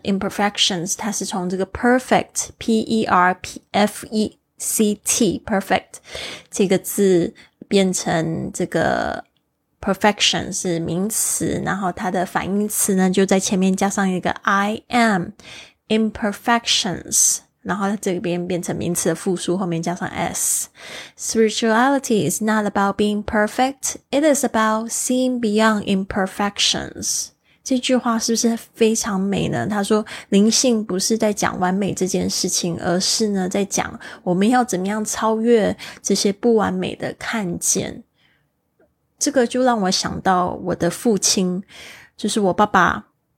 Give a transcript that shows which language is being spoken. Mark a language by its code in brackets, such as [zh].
[zh] Imperfections 它是从这个 perfect P-E-R-F-E-C-T perfect 这个字变成这个Perfection 是名词，然后它的反义词呢就在前面加上一个 [en] I am imperfections， [zh] 然后它这边变成名词的复数，后面加上 S。 [en] Spirituality is not about being perfect. It is about seeing beyond imperfections. [zh] 这句话是不是非常美呢？他说灵性不是在讲完美这件事情，而是呢在讲我们要怎么样超越这些不完美的看见。这个就让我想到我的父亲，就是我爸爸，